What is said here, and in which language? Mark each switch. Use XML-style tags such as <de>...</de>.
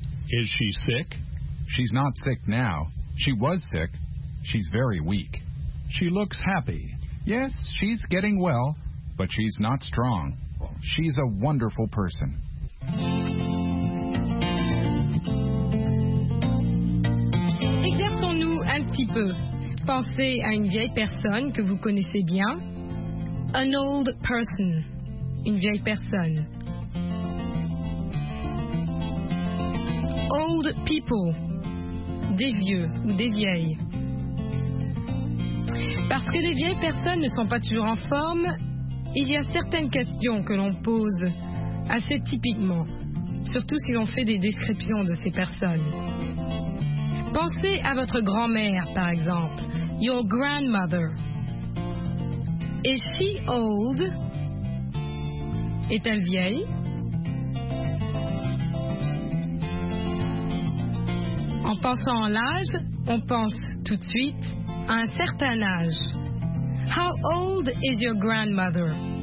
<en>Is she sick? She's not sick now. She was sick. She's very weak. She looks happy. Yes, she's getting well, but she's not strong. She's a wonderful person.</en> <fr>Exerçons-nous un petit peu. Pensez à une vieille personne que vous connaissez bien.</fr> <en>An old person.</en> <fr>Une vieille personne.</fr> <en>Old people.</en> <fr>Des vieux ou des vieilles. Parce que les vieilles personnes ne sont pas toujours en forme, il y a certaines questions que l'on pose assez typiquement, surtout si l'on fait des descriptions de ces personnes. Pensez à votre grand-mère, par exemple.</fr> <en>Your grandmother. Is she old?</en> <fr>Est-elle vieille? En pensant à l'âge, on pense tout de suite à un certain âge.</fr> <en>How old is your grandmother?</en>